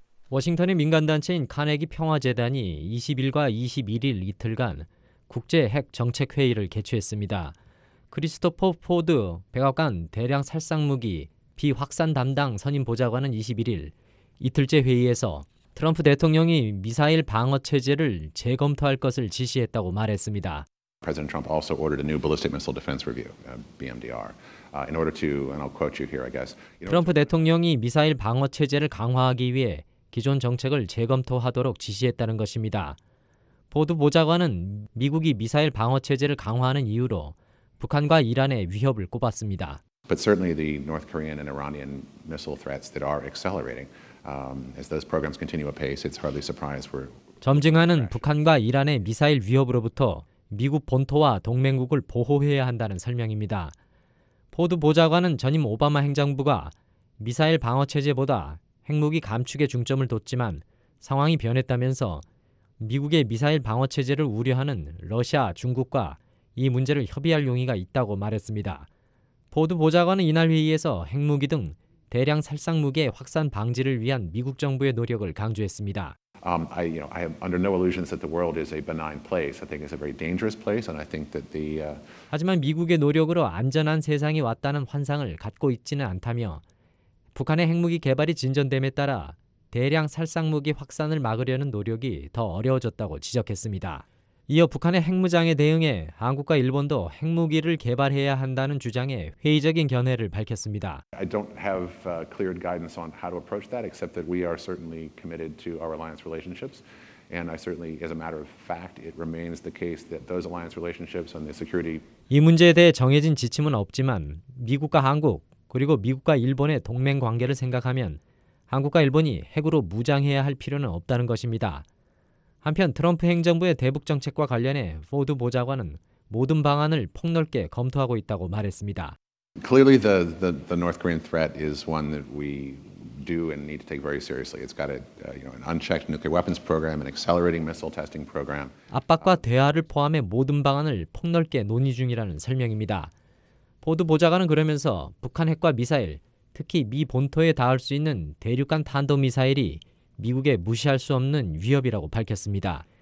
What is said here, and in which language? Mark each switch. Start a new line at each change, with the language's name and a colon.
Korean: 워싱턴의 민간단체인 카네기 평화재단이 20일과 21일 이틀간 국제핵정책회의를 개최했습니다. 크리스토퍼 포드 백악관 대량살상무기 비확산 담당 선임보좌관은 21일 이틀째 회의에서 트럼프 대통령이 미사일 방어 체제를 재검토할 것을 지시했다고 말했습니다.
English: President Trump also ordered a new ballistic missile defense review, BMDR. In order to, and I'll quote you here, I guess.
Korean: 트럼프 대통령이 미사일 방어 체제를 강화하기 위해 기존 정책을 재검토하도록 지시했다는 것입니다. 보드 보좌관은 미국이 미사일 방어 체제를 강화하는 이유로 북한과 이란의 위협을 꼽았습니다.
English: But certainly the North Korean and Iranian missile threats that are accelerating. As those programs continue apace, it's hardly surprise we're
Korean: 점증하는 북한과 이란의 미사일 위협으로부터 미국 본토와 동맹국을 보호해야 한다는 설명입니다. 포드 보좌관은 전임 오바마 행정부가 미사일 방어 체제보다 핵무기 감축에 중점을 뒀지만 상황이 변했다면서 미국의 미사일 방어 체제를 우려하는 러시아, 중국과 이 문제를 협의할 용의가 있다고 말했습니다. 포드 보좌관은 이날 회의에서 핵무기 등 대량 살상무기의 확산 방지를 위한 미국 정부의 노력을 강조했습니다.
English: I am under no illusions that the world is a benign place. I think it's a very dangerous place, and I think that the
Korean: 하지만 미국의 노력으로 안전한 세상이 왔다는 환상을 갖고 있지는 않다며 북한의 핵무기 개발이 진전됨에 따라 대량 살상무기 확산을 막으려는 노력이 더 어려워졌다고 지적했습니다. 이어 북한의 핵무장에 대응해 한국과 일본도 핵무기를 개발해야 한다는 주장에 회의적인 견해를 밝혔습니다.
English: I don't have clear guidance on how to approach that except that we are certainly committed to our alliance relationships and I certainly as a matter of fact it remains the case that those alliance relationships and the security
Korean: 이 문제에 대해 정해진 지침은 없지만 미국과 한국 그리고 미국과 일본의 동맹 관계를 생각하면 한국과 일본이 핵으로 무장해야 할 필요는 없다는 것입니다. 한편 트럼프 행정부의 대북 정책과 관련해 포드 보좌관은 모든 방안을 폭넓게 검토하고 있다고 말했습니다.
English: Clearly the North Korean threat is one that we do and need to take very seriously. It's got an unchecked nuclear weapons program, an accelerating missile testing program.
Korean: 압박과 대화를 포함해 모든 방안을 폭넓게 논의 중이라는 설명입니다. 포드 보좌관은 그러면서 북한 핵과 미사일, 특히 미 본토에 닿을 수 있는 대륙간 탄도 미사일이 미국에 무시할 수 없는 위협이라고 밝혔습니다.